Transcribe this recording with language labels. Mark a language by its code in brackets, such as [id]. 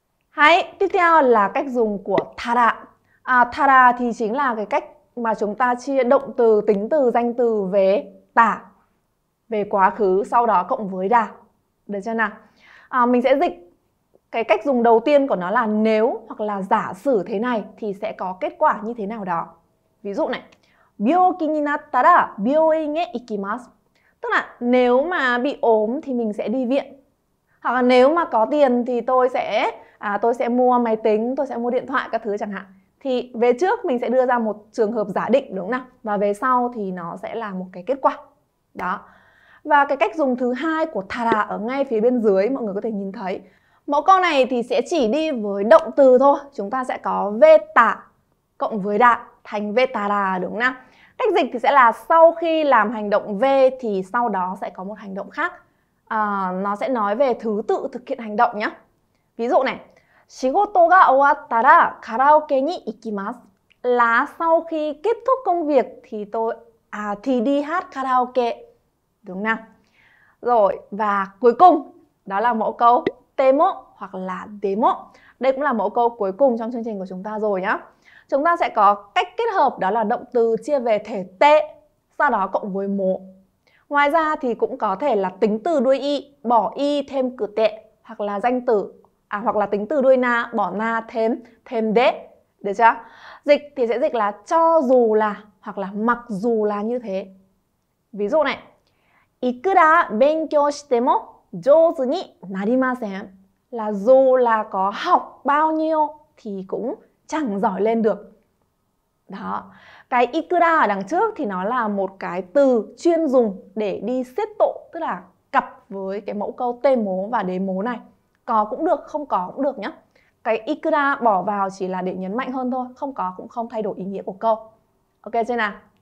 [vi] Hay, tiếp theo là cách dùng của tara. Tara thì chính là cái cách mà chúng ta chia động từ, tính từ, danh từ về tả, về quá khứ, sau đó cộng với đà. Được chưa nào? Mình sẽ dịch cái cách dùng đầu tiên của nó là nếu hoặc là giả sử thế này thì sẽ có kết quả như thế nào đó. Ví dụ này, [ja] 病気 になったら病院へ行きます. [vi] Tức là nếu mà bị ốm thì mình sẽ đi viện. Hoặc là nếu mà có tiền thì tôi sẽ mua máy tính, tôi sẽ mua điện thoại các thứ chẳng hạn. Thì về trước mình sẽ đưa ra một trường hợp giả định, đúng không nào? Và về sau thì nó sẽ là một cái kết quả. Đó. Và cái cách dùng thứ hai của tara ở ngay phía bên dưới, mọi người có thể nhìn thấy. Mẫu câu này thì sẽ chỉ đi với động từ thôi. Chúng ta sẽ có veta cộng với đa thành vetara, đúng không nào? Cách dịch thì sẽ là sau khi làm hành động V thì sau đó sẽ có một hành động khác. Nó sẽ nói về thứ tự thực hiện hành động nhé. Ví dụ này, [ja] 仕事が終わったらカラオケに行きます. [vi] Là sau khi kết thúc công việc thì thì đi hát karaoke, đúng không nào? Rồi, và cuối cùng đó là mẫu câu demo hoặc là demo. Đây cũng là mẫu câu cuối cùng trong chương trình của chúng ta rồi nhá. Chúng ta sẽ có cách kết hợp đó là động từ chia về thể te, sau đó cộng với mo. Ngoài ra thì cũng có thể là tính từ đuôi y, bỏ y thêm cử te, hoặc là danh từ, hoặc là tính từ đuôi na, bỏ na thêm de. Được chưa? Dịch thì sẽ dịch là cho dù là, hoặc là mặc dù là như thế. Ví dụ này, [ja] いくら勉強しても上手になりません. [vi] Là dù là có học bao nhiêu thì cũng chẳng giỏi lên được. Đó. Cái ikura ở đằng trước thì nó là một cái từ chuyên dùng để đi xếp tụ, tức là cặp với cái mẫu câu tê mố và đế mố này. Có cũng được, không có cũng được nhá. Cái ikura bỏ vào chỉ là để nhấn mạnh hơn thôi, không có cũng không thay đổi ý nghĩa của câu. Ok chưa nào?